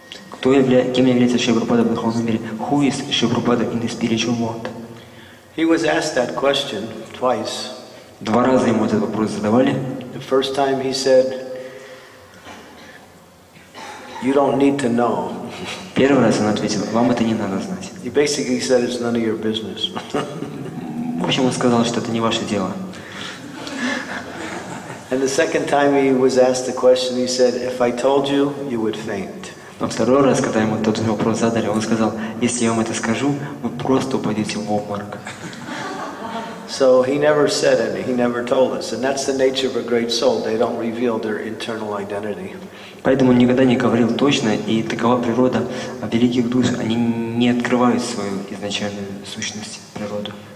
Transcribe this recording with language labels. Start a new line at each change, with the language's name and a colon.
Russian: Кто является, кем является Шри Прабхупада в духовном мире?
English: Who is Шри Прабхупада in the spiritual world? He was asked that question twice.
Russian: Два раза ему этот вопрос задавали.
English: The first time he said, "You don't need to know."
Russian: Первый раз он ответил: "Вам это не надо знать."
English: He basically said, "It's none of your business."
Russian: В общем, он сказал, что это не ваше дело.
English: And the second time he was asked the question, he said, "If I told you, you would faint."
Russian: Но второй раз, когда ему тот вопрос задали, он сказал: "Если я вам это скажу, вы просто упадете в обморок."
English: So he never said anything. He never told us, and that's the nature of a great soul. They don't reveal their internal identity.
Russian: Поэтому он никогда не говорил точно, и такова природа великих душ. Они не открывают свою изначальную сущность, природу.